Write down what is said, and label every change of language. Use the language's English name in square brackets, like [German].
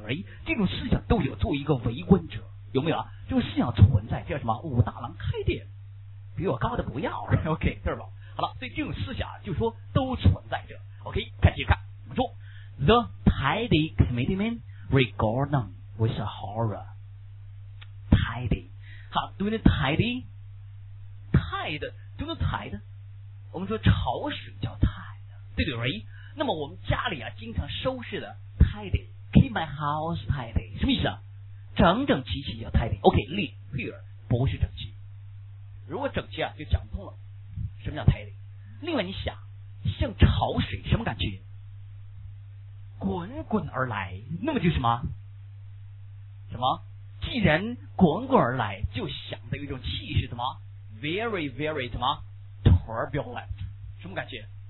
[Chinese] 而已，这种思想都有，作为一个围观者，有没有啊？这种思想存在，叫什么？武大郎开店，比我高的不要 ，OK， 对吧？好了，所以这种思想就说都存在着 ，OK， 看继续看，我们说 ， [English] The tidy committeeman regard them with a horror. [Chinese] Tidy， 好 ，doing tidy， tide， doing tide， 我们说潮水叫 tide。对对那么我们家里啊经常收拾的 tidy [English] keep my house tidy [Chinese] 什么意思啊整整齐齐叫 tidy OK neat clear 不是整齐如果整齐啊就讲不通了什么叫 tidy 另外你想像潮水什么感觉滚滚而来那么就什么什么既然滚滚而来就想的一种气势什么 very very 什么 turbulent 什么感觉